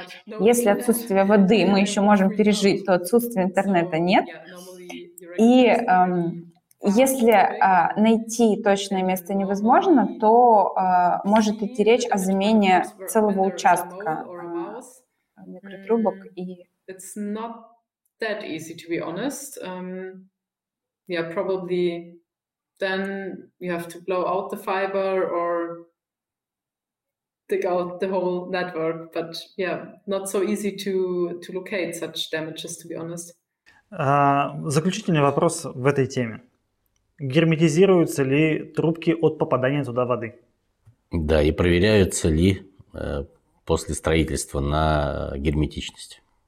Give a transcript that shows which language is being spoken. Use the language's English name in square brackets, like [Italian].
[Russian] Если отсутствие воды мы еще можем пережить, то отсутствие интернета нет. И если найти точное место невозможно, то может идти речь о замене целого участка микротрубок. [English] It's not that easy, to be honest. Yeah, probably then you have to blow out the fiber or dig out the whole network. But yeah, not so easy to locate such damages, to be honest. [Russian] Заключительный вопрос в этой теме. Герметизируются ли трубки от попадания туда воды? Да, и проверяются ли после строительства на герметичность?